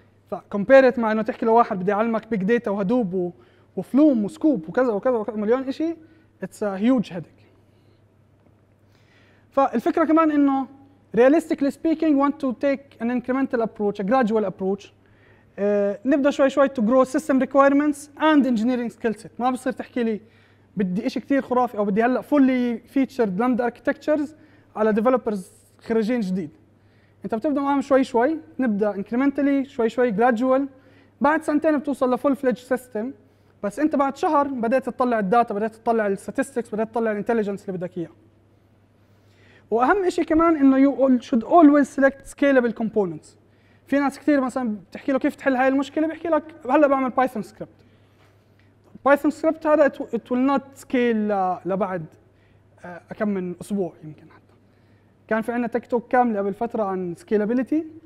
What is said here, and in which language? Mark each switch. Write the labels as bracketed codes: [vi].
[ar] فكومبيرت مع انه تحكي لواحد بدي اعلمك بيج داتا وهدوب وفلوم وسكوب وكذا وكذا وكذا مليون شيء، [en] It's a huge headache. [ar] فالفكره كمان انه [en] realistically speaking, want to take an incremental approach, a gradual approach. [ar] نبدأ شوي شوي [en] to grow system requirements and engineering skill set. [ar] ما بصير تحكي لي بدي إشي كتير خرافي أو بدي هلأ [en] fully featured Lambda architectures [ar] على developers خريجين جديد. أنت بتبدأ معهم شوي شوي, نبدأ incrementally, شوي شوي gradual. بعد سنتين بتوصل لفول fledged system. بس أنت بعد شهر بدأت تطلع الداتا, بدأت تطلع الستاتستكس, بدأت تطلع الانتليجنس اللي بدك إياه. وأهم إشي كمان إنه [en] you should always select scalable components. [ar] في ناس كثير مثلا بتحكي له كيف تحل هاي المشكله, بيحكي لك هلا بعمل بايثون سكريبت. بايثون سكريبت هذا [en] it will not scale [ar] لبعد كم من اسبوع يمكن. حتى كان في عندنا تيك توك كامله قبل فتره عن سكيلابيليتي.